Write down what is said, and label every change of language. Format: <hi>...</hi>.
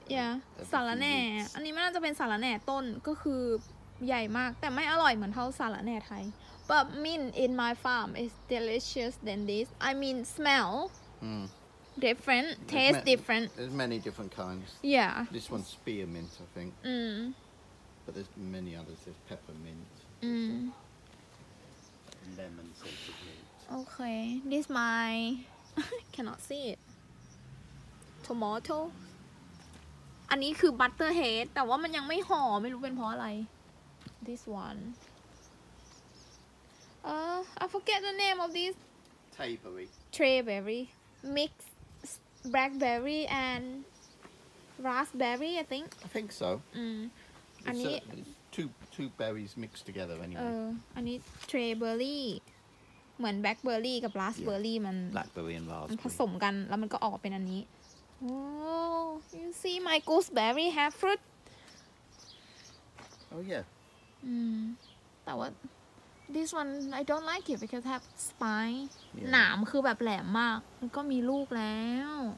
<th>yeah สาระแหน่อันนี้มันน่าจะเป็นสาระแหน่ต้นก็คือใหญ่มากแต่ไม่อร่อยเหมือนเท่าสาระแหน่ไทย</th> <en>But mint in my farm is delicious than this. I mean, smell different, taste different. There's many different kinds. Yeah. This one's spearmint, I think. Mm. But there's many others. There's peppermint. Mm. Lemon sort of mint. Okay. This is my... cannot see it. Tomato. This is butterhead, but it's still not hot. I don't know why. This one. I forget the name of this. Trayberry. Mixed blackberry and raspberry, I think. I think so. Mm. And two berries mixed together anyway. And it's trayberry.</en> <th>เหมือน blackberry กับ raspberry มัน</th> <en>blackberry and raspberry.</en> <th>มันผสมกันแล้วมันก็ออกเป็นอันนี้</th> <en>Oh, you see my gooseberry have fruit. Oh yeah. Mm.</en> <th>แต่ว่า</th> <en>This one I don't like it because have spine.</en> <th>Yeah. หนามคือแบบแหลมมากมันก็มีลูกแล้ว</th>